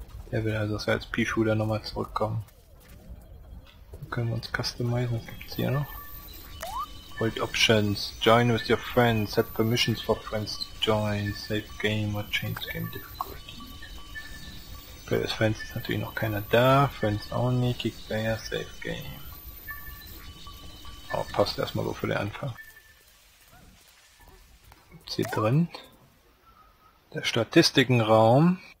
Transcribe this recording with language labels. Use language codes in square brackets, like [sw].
[de] Der will also, dass wir als pea shooter nochmal zurückkommen. Dann können wir uns customizen, was gibt's hier noch? [en] Void options, join with your friends, set permissions for friends to join, save game or change game difficulty. [de] Für das Friends ist natürlich noch keiner da, Friends only, kick player, save game. Oh, passt erstmal so für den Anfang. Was hier drin? Der Statistikenraum.